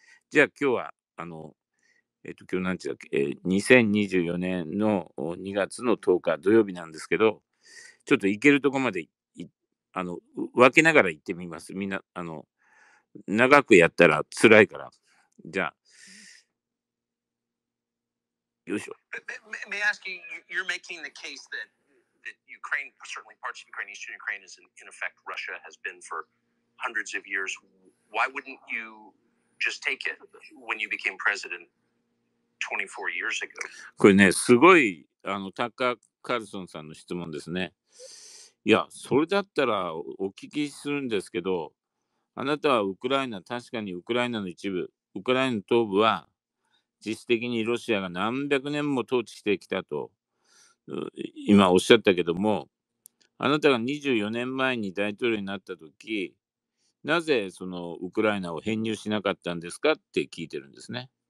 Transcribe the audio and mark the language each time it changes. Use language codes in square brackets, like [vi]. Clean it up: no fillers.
[ja] じゃあ今日は、今日何時だっけ、2024年の2月の10日土曜日なんですけど、ちょっと行けるとこまで分けながら行ってみます。みんな長くやったら辛いから。じゃあよいしょ。 [en] May I ask you, you're making the case that, that Ukraine, certainly parts of Ukraine, Eastern Ukraine is in effect Russia has been for hundreds of years. Why wouldn't you just take it when you became president 24 years ago? [ja] これね、すごいタッカー・カルソンさんの質問ですね。いや、それだったらお聞きするんですけど、あなたはウクライナ、確かにウクライナの一部、ウクライナ東部は実質的にロシアが何百年も統治してきたと今おっしゃったけども、あなたが24年前に大統領になった時、なぜそのウクライナを編入しなかったんですかって聞いてるんですね。